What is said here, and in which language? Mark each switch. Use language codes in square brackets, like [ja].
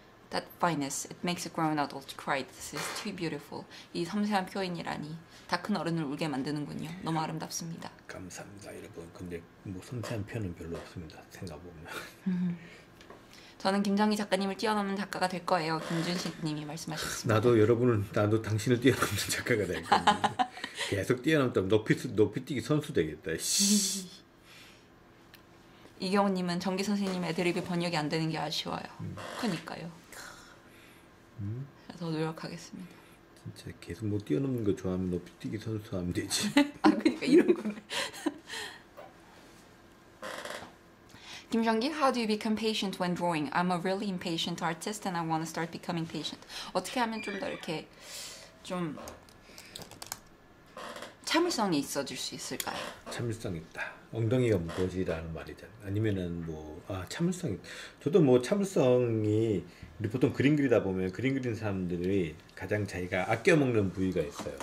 [en] That fineness, it makes a grown adult cry. This is too beautiful. [ko] 이 섬세한 표현이라니. 다 큰 어른을 울게 만드는군요. 너무 아름답습니다. 감사합니다, 여러분. 근데 뭐 섬세한 표현은 별로 없습니다. 생각해보면. 저는 김정희 작가님을 뛰어넘는 작가가 될 거예요. 김준식님이 말씀하셨습니다. 나도 당신을 뛰어넘는 작가가 될 거예요. 계속 뛰어넘다면 높이뛰기 선수 되겠다. 이경훈님은 정기 선생님 애드립이 번역이 안 되는 게 아쉬워요. 그러니까요. 더 노력하겠습니다. 진짜 계속 뭐 뛰어넘는 거 좋아하면 높이뛰기 선수 하면 되지. 아 그러니까 이런 거네. [en] 김정기, how do you become patient when drawing? I'm a really impatient artist and I want to start becoming patient. [ko] 어떻게 하면 좀 더 이렇게 좀 참을성이 있어질 수 있을까요? 참을성 있다. 엉덩이가 무거워지라는 말이잖아. 아니면은 뭐 아 참을성 있다. 저도 뭐 참을성이 보통 그림 그리다 보면 그림 그리는 사람들이 가장 자기가 아껴먹는 부위가 있어요.